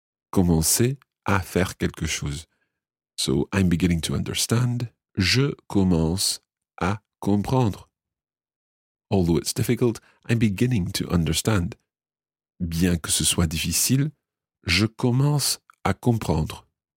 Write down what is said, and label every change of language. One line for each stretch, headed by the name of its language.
French: Commencer à faire quelque chose.
English: So I'm beginning to understand.
French: Je commence à comprendre.
English: Although it's difficult, I'm beginning to understand.
French: Bien que ce soit difficile, je commence à comprendre.